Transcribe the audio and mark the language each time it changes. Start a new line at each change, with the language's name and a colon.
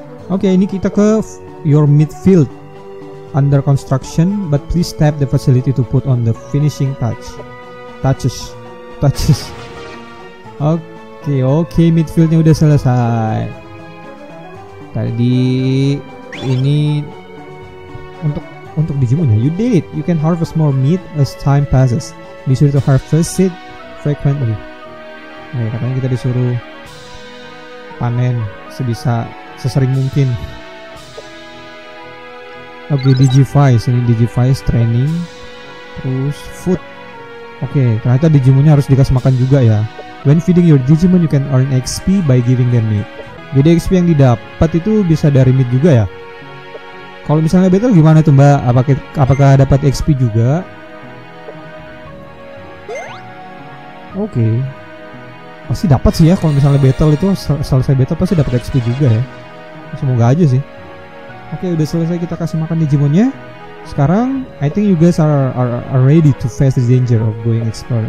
Indonesian: Oke, ini kita ke
English: your midfield under construction, but please tap the facility to put on the finishing touches.
Indonesian: Oke, midfieldnya udah selesai. Tadi ini untuk Digimon ya.
English: You did it. You can harvest more meat as time passes. Be sure to harvest it frequently.
Indonesian: Nah, katanya kita disuruh panen sesering mungkin. Oke, Digivice, ini Digivice training, terus food. Oke, ternyata Digimonnya harus dikasih makan juga ya.
English: When feeding your Digimon, you can earn XP by giving them meat.
Indonesian: Jadi XP yang didapat itu bisa dari meat juga ya. Kalau misalnya battle gimana tuh Mbak? Apakah dapat XP juga? Oke. Pasti dapat sih ya, kalau misalnya battle itu selesai battle pasti dapat XP juga ya. Semoga aja sih. Oke, udah selesai kita kasih makan Digimonnya. Sekarang
English: I think you guys are ready to face the danger of going explore.